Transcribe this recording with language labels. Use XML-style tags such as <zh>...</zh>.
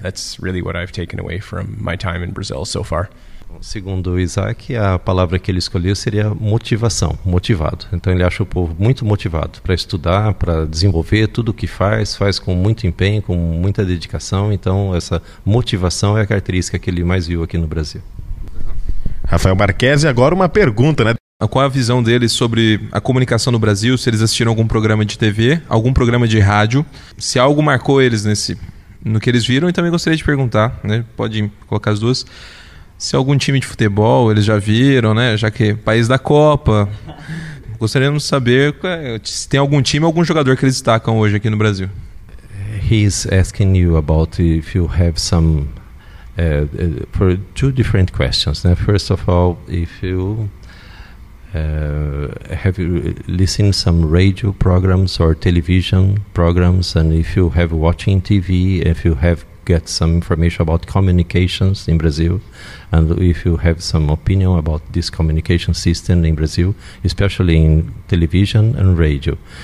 <en>That's really what I've taken away from my time in Brazil so far.</en> <pt>Segundo o Isaac, a palavra que ele escolheu seria motivação, motivado. Então ele acha o povo muito motivado para estudar, para desenvolver tudo o que faz, faz com muito empenho, com muita dedicação. Então essa motivação é a característica que ele mais viu aqui no Brasil. Rafael Marquesi, agora uma pergunta, né? Qual é a visão deles sobre a comunicação no Brasil? Se eles assistiram algum programa de TV, algum programa de rádio? Se algo marcou eles no que eles viram? E também gostaria de perguntar, né? Pode colocar as duas. Se algum time de futebol eles já viram, né? Já que é país da Copa. Gostaríamos de saber se tem algum time ou algum jogador que eles destacam hoje aqui no Brasil.</pt> <en>He's asking you about if you have some... for two different questions. Now, first of all, if you have you listened some radio programs or television programs, and if you have watching TV, if you have get some information about communications in Brazil, and if you have some opinion about this communication system in Brazil, especially in television and radio.</en>